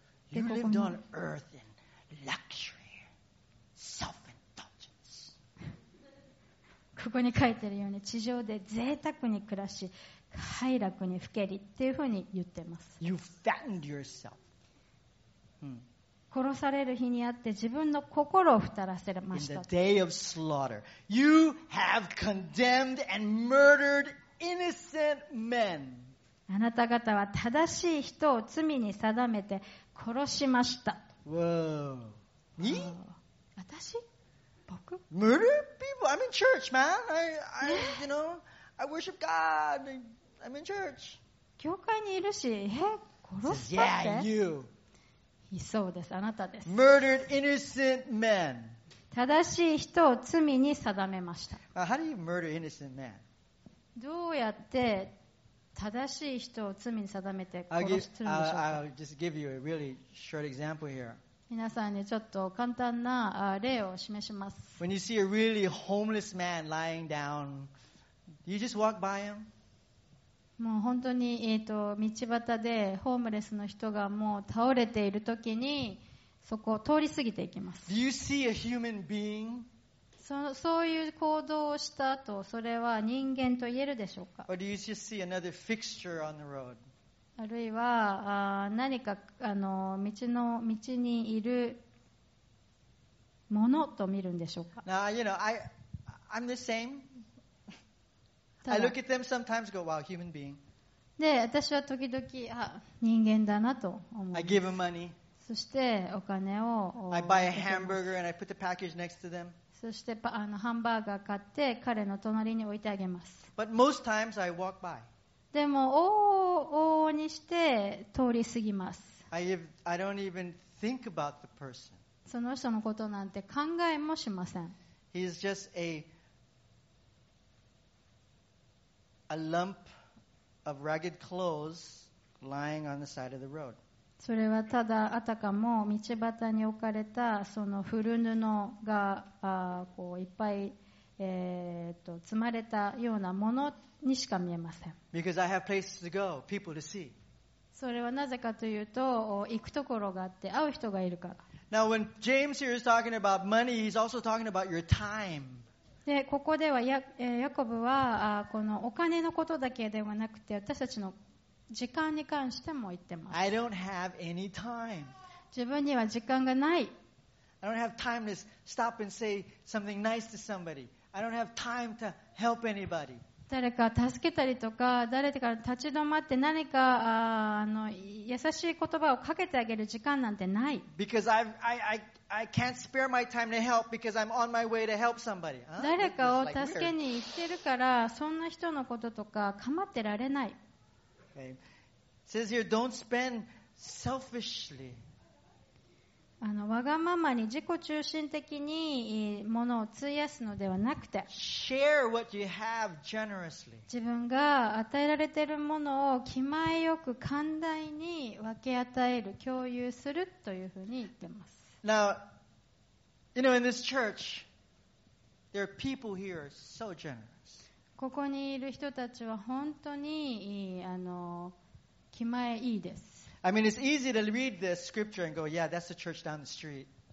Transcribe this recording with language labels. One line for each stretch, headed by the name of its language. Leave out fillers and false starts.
English: You lived on earth in luxury, self-indulgence.
Japanese: ここに書いてるように、地上で贅沢に暮らし、快楽にふけりっていうふうに言ってます。
English: You fattened yourself.
Japanese: 殺される日にあって自分の心を太らせました。
English: In the day of slaughter, you have condemned and murdered everyone. Innocent men.
Japanese: あなた方は正しい人を罪に定めて殺しました。
English: Whoa. Me?
Japanese: Whoa. 私？僕？
English: Murder people? I'm in church, man. I you know, I worship God. I'm in church.
Japanese: 教会にいるし、殺したって？
English: Yeah, you.
Japanese: いそうです。あなたです。
English: Murdered innocent men.
Japanese: 正しい人を罪に定めました。
English: How do you murder innocent men?
Japanese: どうやって正しい人を罪に定めて殺しするんでしょうか。
English: I'll just give you a really short example here.
Japanese: 皆さんにちょっと簡単な例を示します。
English: When you see a really homeless man lying down, do you just walk by him?
Japanese: もう本当に道端でホームレスの人がもう倒れているときにそこを通り過ぎていきます。
English: Do you see a human being?
Japanese: そういう行動をした後、それは人間と言えるでしょうか。
English: Or do you just see another fixture on the road?
Japanese: あるいは何か道にいるものと見るんでしょうか。
English: Now, you know, I'm the same. I look at them sometimes and go, wow, human being.
Japanese: で、私は時々、あ、人間だなと思います。
English: I give them money.
Japanese: そしてお金を。
English: I buy a hamburger and I put the package next to them.
Japanese: そしてハンバーガー買って彼の隣に置いてあげます。
English: But most times I walk by.
Japanese: でも往々にして通り過ぎます。
English: I don't even think about the person.
Japanese: その人のことなんて考えもしません。
English: He's just a lump of ragged clothes lying on the side of the road.
Japanese: それはただあたかも道端に置かれたその古布がこういっぱい積まれたようなものにしか見えません。
English: Because I have places to go, people to see.
Japanese: それはなぜかというと行くところがあって会う人がいるから。
English: Now when James here is talking about money, he's also talking about your time.
Japanese: でここではヤコブはこのお金のことだけではなくて私たちの時間に関しても言ってます。
English: I don't have any time.
Japanese: 自分には時間がない。
English: I don't have time to stop and say something nice to somebody. I don't have time to help anybody.
Japanese: 誰か助けたりとか誰か立ち止まって何か優しい言葉をかけてあげる時間なんてない。
English: Because I can't spare my time to help because I'm on my way to help somebody.
Japanese: 誰かを助けに行ってるからそんな人のこととか構ってられない。
English: Okay. It says here, don't spend selfishly.
Japanese: わがままに自己中心的にものを費やすのではなくて、
English: share what you have generously.
Japanese: 自分が与えられているものを気前よく寛大に分け与える、共有するというふうに言ってます。
English: Now, you know, in this church, there are people here so generous.
Japanese: ここにいる人たちは本当にいい気前いいです。
English: I mean, it's easy to read this scripture and go, yeah, that's the church down the street.